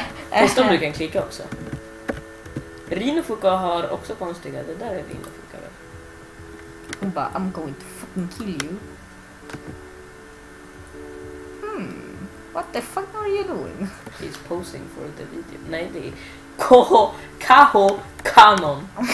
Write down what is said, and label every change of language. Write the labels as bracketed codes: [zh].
[sv] Fast om du kan klicka också. Rinofuka har också konstiga. Det där är Rinofuka. Hon bara, [en] I'm going to fucking kill you. What the fuck are you doing? He's posing for the video. [sv] Nej, det är Koho, Kaho, Kanon.